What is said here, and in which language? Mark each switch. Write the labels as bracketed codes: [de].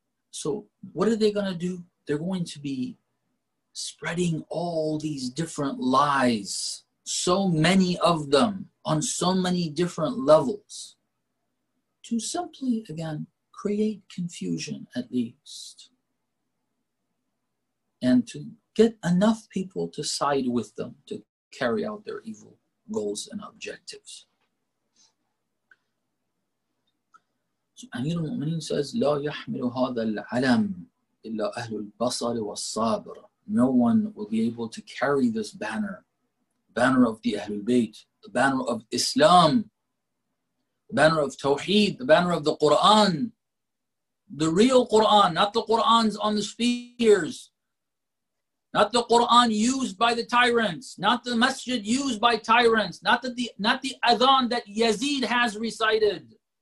[en] So what are they going to do? They're going to be spreading all these different lies, so many of them on so many different levels, to simply, again, create confusion at least, and to get enough people to side with them to carry out their evil goals and objectives. [ar] So Amir al-Mu'mineen says, لا يحمل هذا العلم إلا أهل البصر والصبر. [en] No one will be able to carry this banner, banner of the Ahlul Bayt, the banner of Islam, the banner of Tawheed, the banner of the Quran, the real Quran, not the Qurans on the spheres, not the Quran used by the tyrants, not the masjid used by tyrants, not the adhan that Yazid has recited.